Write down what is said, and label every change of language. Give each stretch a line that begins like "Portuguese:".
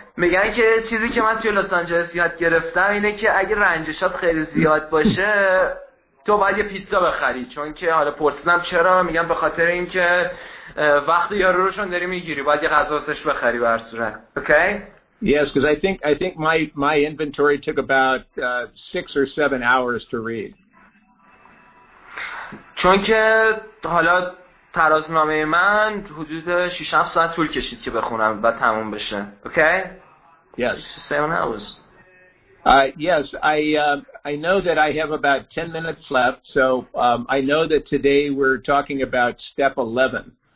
Persian: میگن که چیزی که من توی لس آنجلس یاد گرفتم اینه که اگه رنجشات خیلی زیاد باشه تو باید یه پیتزا بخری، چون که حالا پرسیدم چرا، میگن به خاطر اینکه وقت یارو رو شون داری میگیری، باید یه غذا واسش بخری به هر صورت.
English: Okay? Yes, because I think my inventory took about 6 or 7 hours to read.
Persian: چون که حالا ترازنامه من حدود 6-7 ساعت طول کشید که بخونم و تموم بشه.
English: Okay? Yes. 7 hours. Yes, I know that I have about 10 minutes left, so I know that today we're talking about step 11.